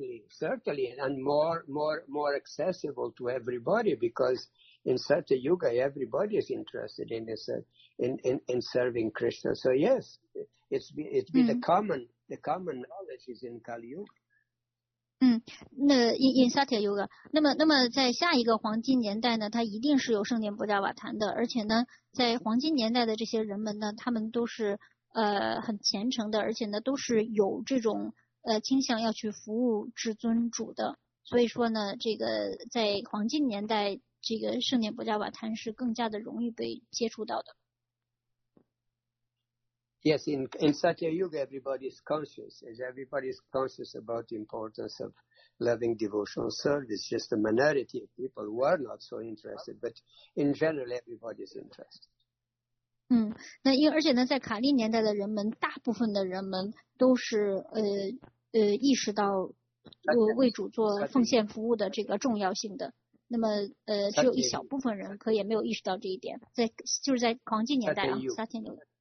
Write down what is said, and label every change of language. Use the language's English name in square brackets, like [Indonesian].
[English] Certainly, and more accessible to everybody, because in Satya Yuga, everybody is interested in serving Krishna. So yes, it's been the common knowledge is in Kali Yuga. [Chinese] 那 Satya Yuga, 那么在下一个黄金年代呢，它一定是有圣典薄伽瓦坛的，而且呢，在黄金年代的这些人们呢，他们都是很虔诚的，而且呢，都是有这种倾向要去服务至尊主的。所以说呢，这个在黄金年代，这个圣典薄伽瓦坛是更加的容易被接触到的。 [English] Yes, in Satya Yuga, everybody is conscious. Everybody is conscious about the importance of loving devotional service. Just a minority of people who are not so interested, but in general, everybody is interested. [Chinese] 那因为而且呢，在卡利年代的人们，大部分的人们都是意识到为主做奉献服务的这个重要性的。那么只有一小部分人可以没有意识到这一点，在就是在黄金年代啊，撒天牛。